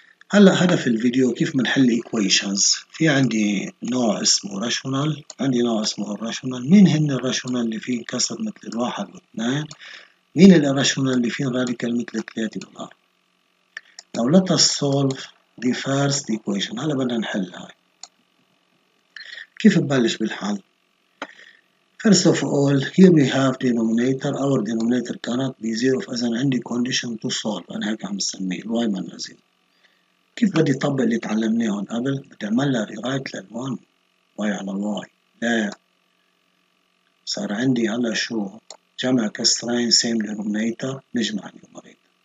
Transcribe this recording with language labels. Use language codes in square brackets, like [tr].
[ar] هلا هدف الفيديو كيف بنحل equations. في عندي نوع اسمه راشونال، عندي نوع اسمه الراشونال. مين هن الراشونال اللي فيه كسر مثل الواحد واثنين؟ مين الراشونال اللي فيه راديكال مثل ثلاثة والأربعة؟ [en] now let us solve the first equation. [ar] هلا بدنا نحل هاي. كيف ببلش بالحل؟ [en] first of all here we have denominator. our denominator cannot be zero. [ar] فإذا عندي [en] condition to solve، [ar] أنا هيك عم بسميه الواي منها زيرو. كيف بدي طبق اللي تعلمناه هون قبل؟ بدي اعمل لها ريرايت لل1 واي على الواي. لا، صار عندي هلا شو؟ جمع كسرين سيم دينومينيتر، نجمع النيومريتر.